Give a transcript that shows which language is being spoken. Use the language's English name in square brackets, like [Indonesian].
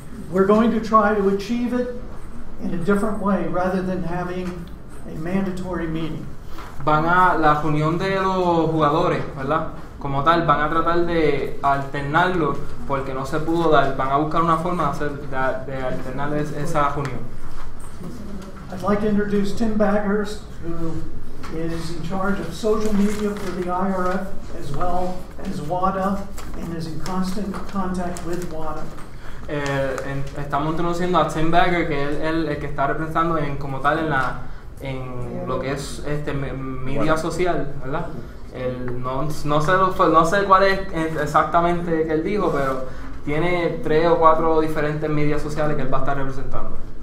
[English] We're going to try to achieve it in a different way rather than having a mandatory meeting. [Spanish] Van a la reunión de los jugadores, ¿verdad? Como tal, van a tratar de alternarlo porque no se pudo dar. Van a buscar una forma de alternar esa reunión. [English] I'd like to introduce Tim Backers, who is in charge of social media for the IRF, as well as WADA, and is in constant contact with WADA. [Spanish] Estamos introduciendo a Tim Backer, que es el que está representando en como tal en la en lo que es este media social, ¿verdad? El no sé cuál es exactamente que él dijo, pero tiene tres o cuatro diferentes medias sociales que él va a estar representando.